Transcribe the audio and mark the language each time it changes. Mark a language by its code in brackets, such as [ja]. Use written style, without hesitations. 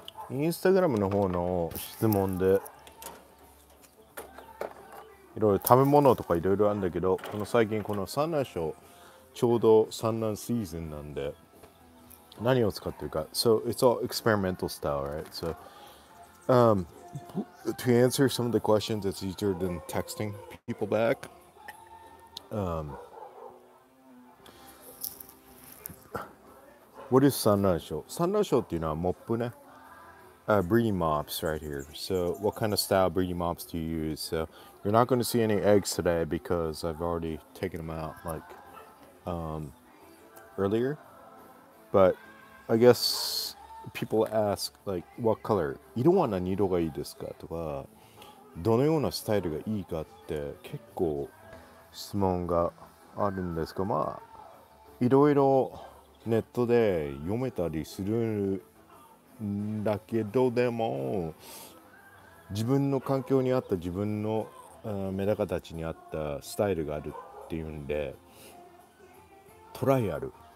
[ja] Instagram の方の質問でいろいろ食べ物とかいろいろあるんだけど、この最近この産卵床ちょうど産卵シーズンなんで。何を使ってるか [en] So it's all experimental style, right? So, to answer some of the questions, it's easier than texting people back. What is 産卵床? [ja] 産卵床っていうのはモップね。 [en] Breeding mops right here. So what kind of style breeding mops do you use? So you're not going to see any eggs today because I've already taken them out like earlier. But... I guess people ask, like, what color? [ja] 色は何色がいいですかとか、どのようなスタイルがいいかって結構質問があるんですが、まあ、いろいろネットで読めたりするんだけど、でも、自分の環境に合った、自分のメダカたちに合ったスタイルがあるっていうんで、トライアル。